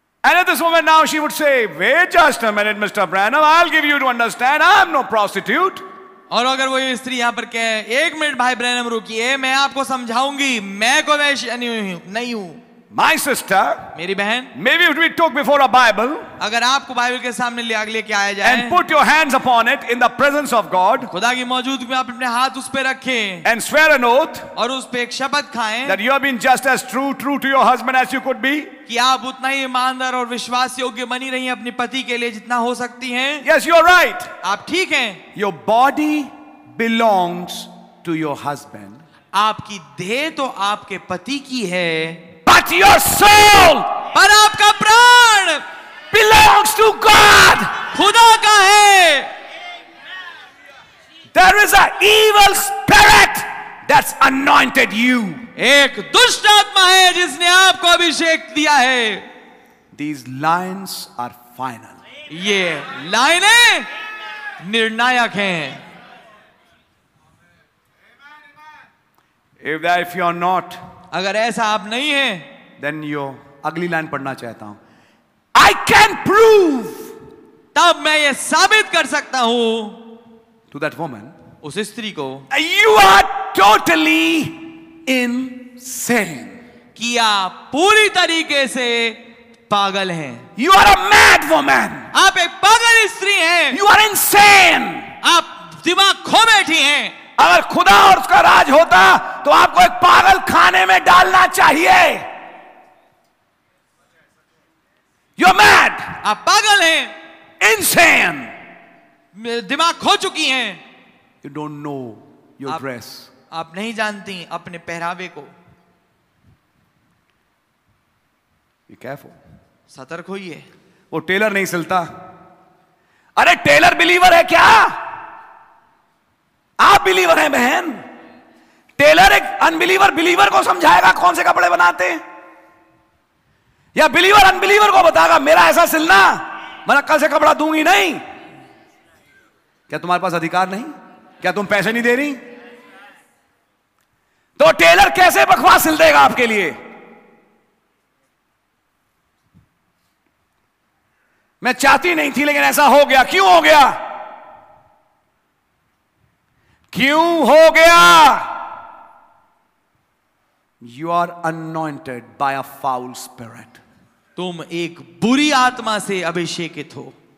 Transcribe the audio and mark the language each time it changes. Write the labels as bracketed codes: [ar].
[en] And at this moment now she would say, wait just a minute, Mr. Branham, I'll give you to understand, I'm no prostitute. [hi] और अगर वो स्त्री यहां पर कहे, एक मिनट भाई ब्रैनम रुकिए, मैं आपको समझाऊंगी, मैं कोई वैश्य नहीं हूं. [en] My sister, [hi] मेरी बहन, [en] maybe if we took before a Bible, [hi] अगर आपको बाइबल के सामने ले आगे लेके आया जाए, [en] and put your hands upon it in the presence of God, [hi] खुदा की मौजूदगी में आप अपने हाथ उस पे रखें, [en] and swear an oath, [hi] और उस पे एक शपथ खाएं, [en] that you have been just as true to your husband as you could be, [hi] कि आप उतना ही ईमानदार और विश्वास योग्य बनी रही हैं अपने पति के लिए जितना हो सकती हैं. [en] Yes, you are right. [hi] आप ठीक हैं. [en] Your body belongs to your husband. [hi] आपकी देह तो आपके पति की है. [en] But your soul, [hi] पर आपका प्राण, [en] belongs to God, [hi] खुदा का है. [en] There is an evil spirit that's anointed you. [hi] एक दुष्ट आत्मा है जिसने आपको अभिषेक दिया है. [en] These lines are final. [hi] ये लाइनें निर्णायक हैं. [en] If that, if you are not, [hi] अगर ऐसा आप नहीं है, [en] then you [hi] अगली लाइन पढ़ना चाहता हूं. [en] I can prove, [hi] तब मैं ये साबित कर सकता हूं, [en] to that woman, [hi] उस स्त्री को, [en] you are totally in sin, [hi] कि आप पूरी तरीके से पागल हैं. [en] You are a mad woman, [hi] आप एक पागल स्त्री हैं. [en] You are insane, [hi] आप दिमाग खो बैठी हैं. अगर खुदा और उसका राज होता तो आपको एक पागल खाने में डालना चाहिए. [en] You're mad. [hi] आप पागल हैं. [en] Insane. [hi] दिमाग खो चुकी हैं. [en] You don't know your dress. [hi] आप नहीं जानती अपने पहरावे को. [en] Be careful. [hi] सतर्क होइए. वो टेलर नहीं सिलता. अरे टेलर बिलीवर है क्या? आप बिलीवर हैं बहन. टेलर एक अनबिलीवर बिलीवर को समझाएगा कौन से कपड़े बनाते हैं, या बिलीवर अनबिलीवर को बताएगा मेरा ऐसा सिलना, मैं कल से कपड़ा दूंगी नहीं. क्या तुम्हारे पास अधिकार नहीं? क्या तुम पैसे नहीं दे रही? तो टेलर कैसे बकवास सिल देगा आपके लिए? मैं चाहती नहीं थी लेकिन ऐसा हो गया. क्यों हो गया? क्यों हो गया? [en] You are anointed by a foul spirit. [hi] तुम एक बुरी आत्मा से अभिषेकित हो.